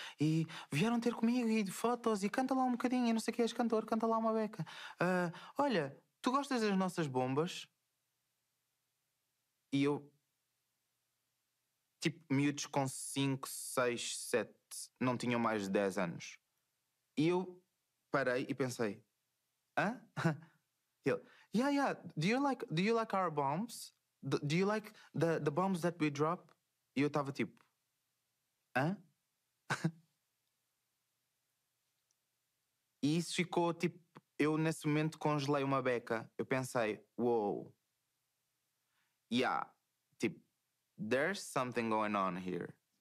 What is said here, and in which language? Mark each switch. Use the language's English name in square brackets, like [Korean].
[Portuguese] E vieram ter comigo e de fotos e canta lá um bocadinho, não sei o que és cantor, canta lá uma beca. Olha, tu gostas das nossas bombas? E eu, tipo, miúdos com 5, 6, 7, não tinham mais de 10 anos. E eu parei e pensei, hã? [English] Ele, yeah, do you like our bombs? Do you like the bombs that we drop? [Portuguese] E eu estava tipo, hã? E isso ficou tipo, eu nesse momento congelei uma beca. Eu pensei, wow. [English] Yeah, tipo, there's something going on here.